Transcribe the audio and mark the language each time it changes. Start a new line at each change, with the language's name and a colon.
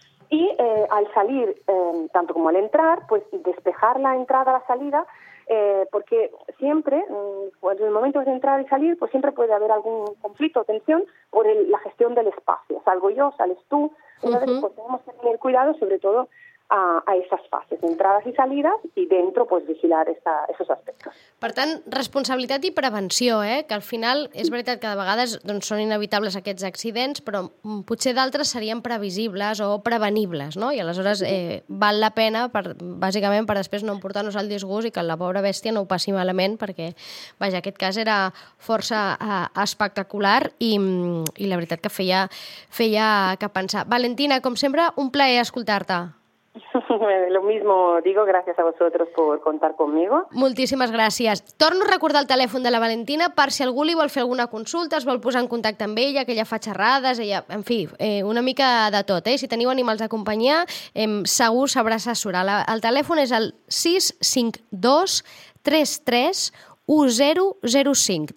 Spanish: Y al salir, tanto como al entrar, pues despejar la entrada, la salida, porque siempre, pues, en el momento de entrar y salir, pues siempre puede haber algún conflicto o tensión por la gestión del espacio. Salgo yo, sales tú. Entonces, uh-huh, pues tenemos que tener cuidado sobre todo a esas fases, entradas y salidas, y dentro pues vigilar esos aspectos.
Catalan: Per tant, responsabilitat i prevenció, que al final és veritat que de vegades doncs, són inevitables aquests accidents, però potser d'altres serien previsibles o prevenibles, no? I aleshores val la pena, bàsicament per després no emportar-nos el disgust i que la pobra bèstia no ho passi malament, perquè vaja, aquest cas era força espectacular i la veritat que feia que pensar. Valentina, com sempre, un plaer escoltar-te.
Spanish: Lo mismo digo, gracias a vosotros por contar conmigo.
Catalan: Moltíssimes gràcies. Torno a recordar el telèfon de la Valentina per si algú li vol fer alguna consulta, es vol posar en contacte amb ella, que ella fa xerrades, ella, en fi, una mica de tot. Si teniu animals a acompanyar, segur sabrà assessorar. El telèfon és el 652-33-1005.